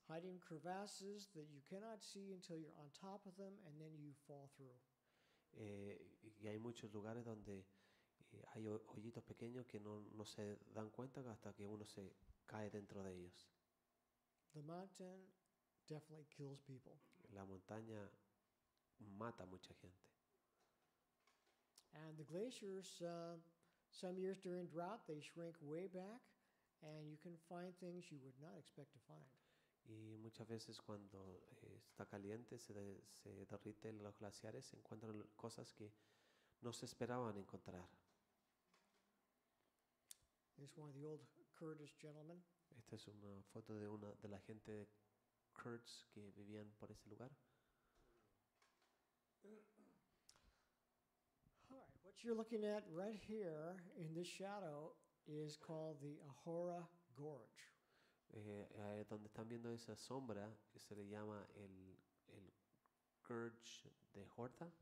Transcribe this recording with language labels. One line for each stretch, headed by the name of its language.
English: Hiding crevasses that you cannot see until you're on top of them, and then you fall through.
Spanish: Y hay muchos lugares donde hay hoyitos pequeños que no se dan cuenta hasta que uno se cae dentro de ellos.
English: The mountain definitely kills people.
Spanish: La montaña mata mucha gente.
English: And the glaciers, some years during drought, they shrink way back, and you can find things you would not expect to find.
Spanish: Y muchas veces cuando está caliente, se derriten los glaciares, se encuentran cosas que no se esperaban encontrar.
English: This is one of the old Kurdish gentlemen.
Spanish: Esta es una foto de una de la gente de Kurds que vivían por ese lugar.
English: All right, what you're looking at right here in this shadow is called the Ahura Gorge.
Spanish: Donde están viendo esa sombra que se le llama el Gorge de Horta.